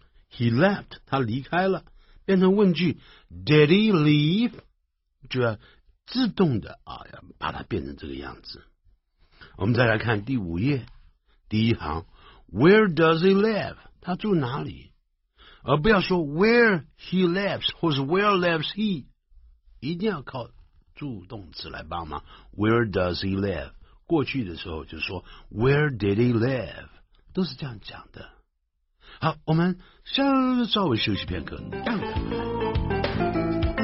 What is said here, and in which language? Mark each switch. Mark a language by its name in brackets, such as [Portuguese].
[Chinese] he left 他离开了，变成问句 did he leave，就要自动的、啊、把它变成这个样子。我们再来看第五页第一行， Where does he live? 他住哪里？而不要说 where he lives 或是 where lives he，一定要靠助动词来帮忙。 [English] Where does he live? [Chinese] 过去的时候就说 where did he live? 都是这样讲的。好，我们稍微休息片刻，待会儿再回来。